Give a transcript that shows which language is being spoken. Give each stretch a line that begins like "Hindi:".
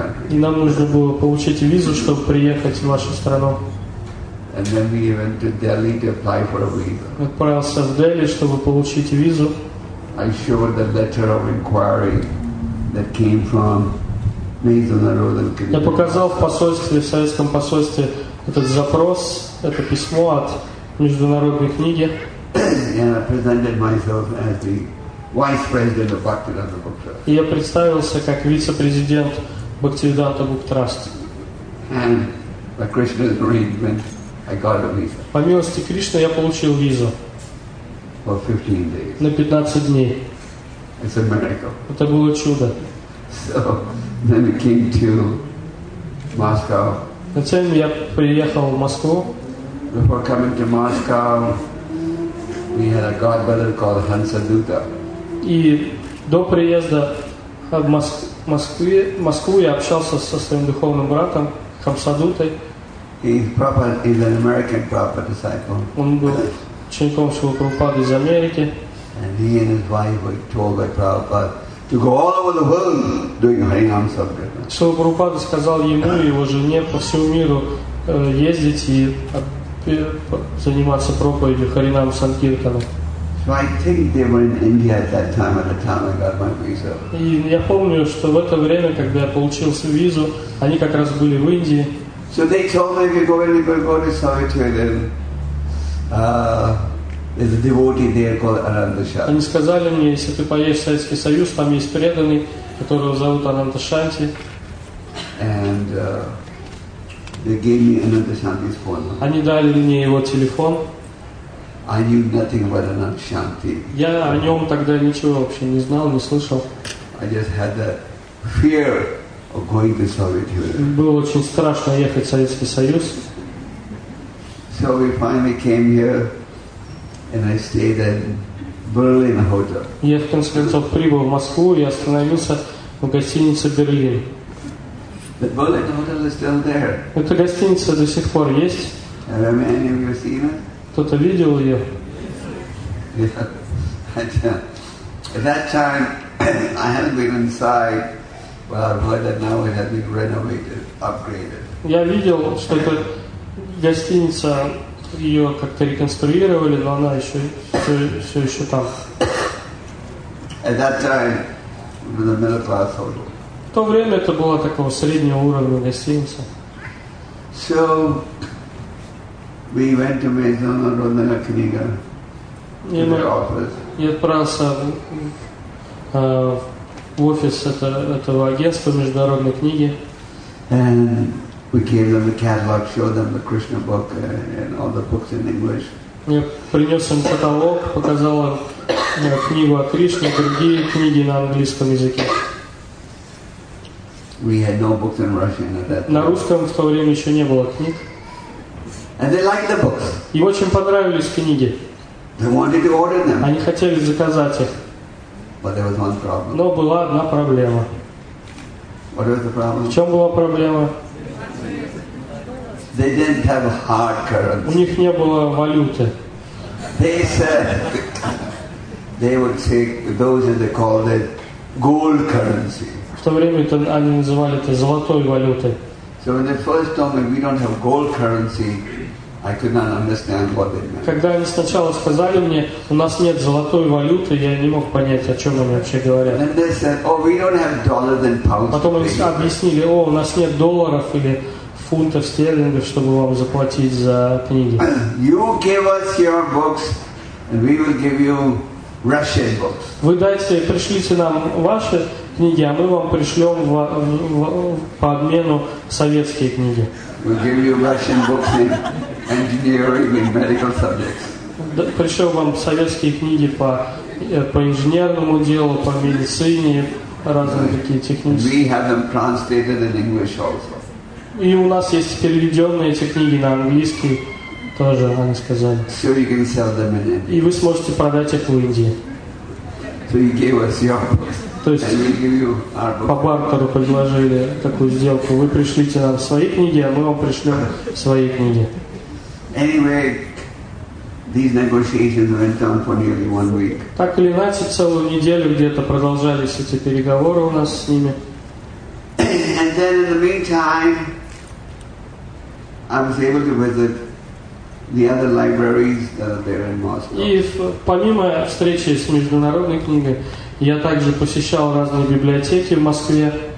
Russian: И нам нужно было получить визу, чтобы приехать в вашу страну.
English: And then we went to Delhi to apply for a visa.
Russian: Отправился в Дели, чтобы получить визу.
English: I showed the letter of inquiry that came from Nathan Narodhan.
Russian: Я показал в посольстве, в советском посольстве этот запрос, это письмо от международной книги.
English: And I presented myself as the vice president of Bhaktivedanta Book Trust.
Russian: И я представился как вице-президент Bhaktivedanta Book Trust.
English: And by Krishna's arrangement, I got a visa.
Russian: По милости Кришны я получил визу.
English: For 15 days.
Russian: На 15 дней.
English: It's a miracle.
Russian: Это было чудо.
English: So then we came to Moscow.
Russian: Затем я приехал в Москву.
English: Before coming to Moscow, we had a godbrother called Hansaduta.
Russian: И до приезда в Москву я общался со своим духовным братом Хамсадутой.
English: He's proper, he's an American proper disciple.
Russian: Он был учеником Шрилы Прабхупады из Америки.
English: And he and his wife were told by Prabhupada to go all over the world doing Harinam Sankirtan.
Russian: Шрила Прабхупада сказал ему и его жене по всему миру ездить и заниматься проповедью Харинам Санкиртана.
English: So I think they were in India at that time, at the time I got my visa.
Russian: И я помню, что в это время, когда я получил свою визу, они как раз были в Индии.
English: So they told me if you go anywhere, go to Savitri. There's a devotee there called Ananda Shanti.
Russian: Они сказали мне, если ты поедешь в Советский Союз, там есть преданный, которого зовут Ананда Шанти.
English: And they gave me Ananda Shanti's phone number.
Russian: Они дали мне его телефон.
English: I knew nothing about Ananda Shanti.
Russian: Я о нем тогда ничего вообще не знал, не слышал.
English: I just had the fear of going to Soviet Union.
Russian: Было очень страшно ехать в Советский Союз.
English: So we finally came here. And I stayed in Berlin hotel.
Russian: Я в конце концов прибыл в Москву и остановился в гостинице Берлин.
English: The Berlin hotel is still there.
Russian: Эта гостиница до сих пор есть.
English: Have any of you seen it?
Russian: Кто-то видел ее?
English: Yeah. At that time, I hadn't been inside, but I've heard that now it has been renovated, upgraded.
Russian: Я видел, что это гостиница, ее как-то реконструировали, но она еще все еще там.
English: At that time, it was a middle-class hotel.
Russian: В то время это была такого среднего уровня гостиница.
English: So we went to Maison Rodena Knyga.
Russian: Я отправился в офис этого агентства международной книги.
English: And we gave them the catalog, showed them the Krishna book and all the books in English.
Russian: Я принес им каталог, показал им книгу о Кришне, другие книги на английском языке.
English: We had no books in Russian at that time.
Russian: На русском в то время еще не было книг.
English: And they liked the books.
Russian: И очень понравились книги.
English: They wanted to order them.
Russian: Они хотели заказать их.
English: But there was one problem.
Russian: Но была одна проблема.
English: What was the problem?
Russian: В чем была проблема?
English: They didn't have hard currency.
Russian: У них не было валюты.
English: They said they would take those that they called it gold currency.
Russian: В то время это они называли это золотой валютой.
English: So when they first told me we don't have gold currency, I could not understand what they meant.
Russian: Когда они сначала сказали мне, у нас нет золотой валюты, я не мог понять, о чем они вообще говорят.
English: And they said, oh, we don't have dollars and pounds.
Russian: Потом они объяснили, о, у нас нет долларов или фунтов стерлингов, чтобы вам заплатить за книги.
English: You give us your books, and we will give you Russian books.
Russian: Вы дайте, пришлите нам ваши книги, а мы вам пришлем по обмену советские книги.
English: We'll give you Russian books in engineering and medical subjects.
Russian: Пришлем вам советские книги по инженерному делу, по медицине, разные такие технические.
English: We have them translated in English also.
Russian: И у нас есть переведенные эти книги на английский, тоже они сказали.
English: So you can sell them in India.
Russian: И вы сможете продать их в Индии.
English: So you gave us your books.
Russian: То есть
English: and we give you our books.
Russian: По бартеру предложили такую сделку. Вы пришлите нам свои книги, а мы вам пришлем свои книги.
English: Anyway, these negotiations went on for nearly 1 week.
Russian: Так или иначе, целую неделю где-то продолжались эти переговоры у нас с ними.
English: And then in the meantime, I was able to visit the other libraries that are there in Moscow.
Russian: И помимо встречи с международной книгой, я также посещал разные библиотеки в Москве.